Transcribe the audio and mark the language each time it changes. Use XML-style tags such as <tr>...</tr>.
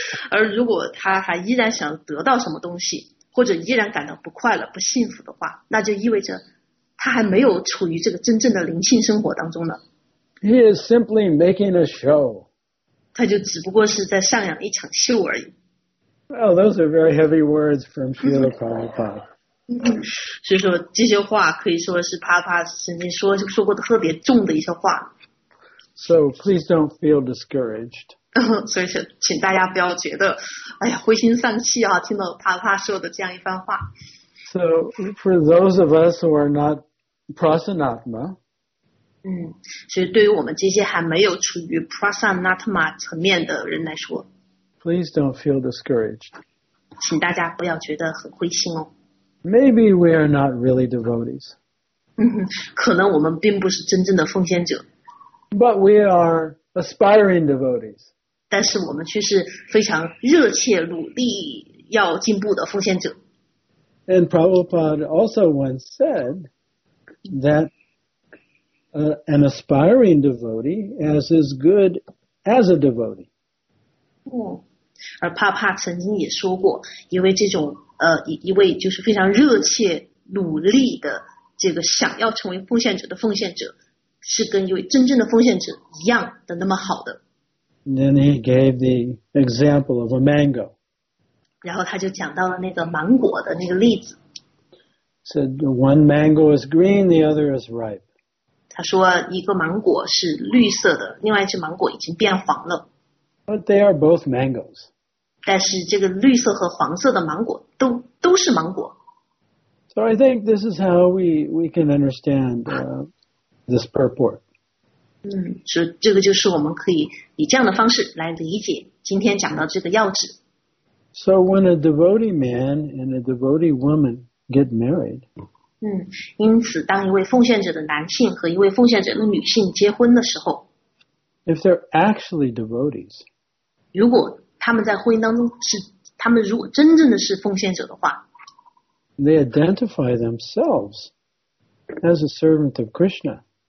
<zh>而如果他还依然想得到什么东西，或者依然感到不快乐、不幸福的话，那就意味着。他还没有处于这个真正的灵性生活当中呢。</zh> <en>He is simply making a show.</en> <zh>他就只不过是在上演一场秀而已。</zh> <en>Well, those are very heavy words from Srila Prabhupada.</en> <zh>所以说这些话可以说是帕帕曾经说过的特别重的一些话。</zh> <en>So please don't feel discouraged.</en> <zh>所以请大家不要觉得哎呀灰心丧气啊，听到帕帕说的这样一番话。</zh> <en>So for those of us who are not prasanatma,</en> <zh>所以对于我们这些还没有处于 prasanatma 层面的人来说，</zh> <en>please don't feel discouraged.</en> <zh>请大家不要觉得很灰心哦。</zh> <en>Maybe we are not really devotees.</en> <zh>可能我们并不是真正的奉献者。</zh> <en>But we are aspiring devotees.</en> <zh>但是我们却是非常热切努力要进步的奉献者。</zh> <en>And Prabhupada also once said that an aspiring devotee is as good as a devotee.</en> <zh>而帕帕曾经也说过，因为这种一位就是非常热切努力的这个想要成为奉献者的奉献者，是跟一位真正的奉献者一样的那么好的。</zh> <en>Then he gave the example of a mango.</en> <zh>然后他就讲到了那个芒果的那个例子。</zh> <en>Said one mango is green, the other is ripe.</en> <zh>他说一个芒果是绿色的，另外一只芒果已经变黄了。</zh> <en>But they are both mangoes.</en> <zh>但是这个绿色和黄色的芒果都是芒果。</zh> <en>So I think this is how we can understand this purport.</en> <zh>所以这个就是我们可以以这样的方式来理解今天讲到这个要旨。</zh> <en>So when a devotee man and a devotee woman get married,</en> <zh>因此当一位奉献者的男性和一位奉献者的女性结婚的时候，</zh> <en>if they're actually devotees,</en> <zh>如果他们在婚姻当中是，他们如果真正的是奉献者的话，</zh> <en>They identify themselves as a servant of Krishna.</en>